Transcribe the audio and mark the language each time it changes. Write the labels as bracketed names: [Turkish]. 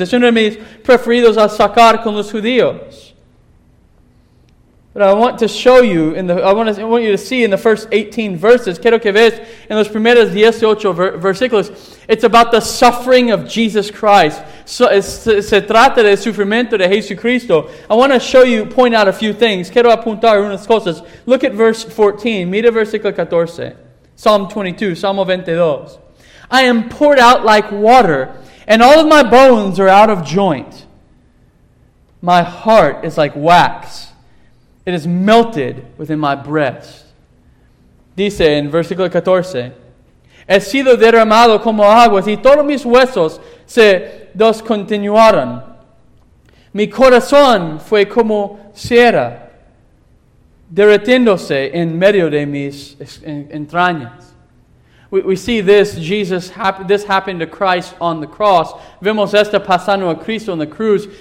[Spanish] Es uno de mis preferidos a sacar con los judíos. [English] But I want to show you, I want you to see in the first 18 verses, [Spanish] quiero que veas en los primeros 18 versículos, [English] it's about the suffering of Jesus Christ. [Spanish] So se trata del sufrimiento de Jesucristo. [English] I want to show you, point out a few things. [Spanish] Quiero apuntar unas cosas. [English] Look at verse 14, [Spanish] mira versículo 14. [English] Psalm 22, Salmo 22. I am poured out like water, and all of my bones are out of joint. My heart is like wax. It is melted within my breast. [Spanish] Dice en versículo 14, he sido derramado como aguas, y todos mis huesos se descontinuaron. Mi corazón fue como cera, derretiéndose en medio de mis entrañas. [English] We see this, Jesus, this happened to Christ on the cross. [Spanish] Vemos esto pasando a Cristo en la cruz.